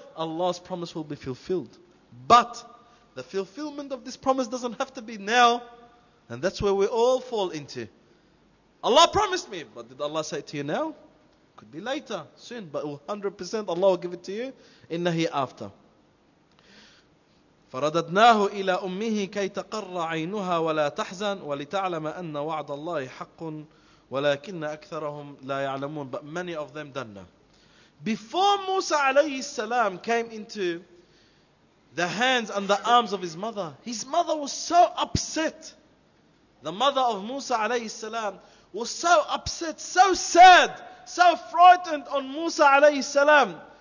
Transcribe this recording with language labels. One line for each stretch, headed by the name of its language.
English: Allah's promise will be fulfilled. But the fulfillment of this promise doesn't have to be now. And that's where we all fall into. Allah promised me. But did Allah say it to you now? Could be later, soon. But 100% Allah will give it to you in the hereafter.
Arabic: فرددناه إلى أمه كي تقر عينها ولا تحزن ولتعلم أن وعد الله حق ولكن أكثرهم لا يعلمون.
English: But many of them don't know. Before Musa alayhi salam came into the hands and the arms of his mother was so upset. The mother of Musa alayhi salam was so upset, so sad, so frightened on Musa alayhi salam.